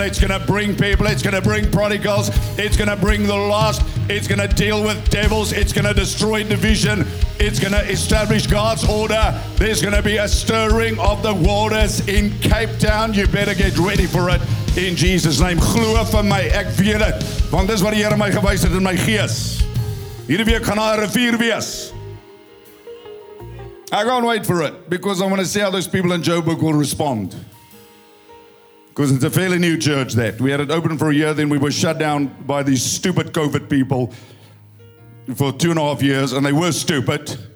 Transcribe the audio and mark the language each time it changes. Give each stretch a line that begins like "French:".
English: It's going to bring people. It's going to bring prodigals. It's going to bring the lost. It's going to deal with devils. It's going to destroy division. It's going to establish God's order. There's going to be a stirring of the waters in Cape Town. You better get ready for it in Jesus' name.
Afrikaans: Glo vir my, ek weet dit. Want dis wat die Here my gewys het in my gees. Hierdie week gaan daar 'n rivier wees.
English: I can't wait for it because I want to see how those people in Joburg will respond. Because it's a fairly new church that. We had it open for a year, then we were shut down by these stupid COVID people for 2.5 years, and they were stupid.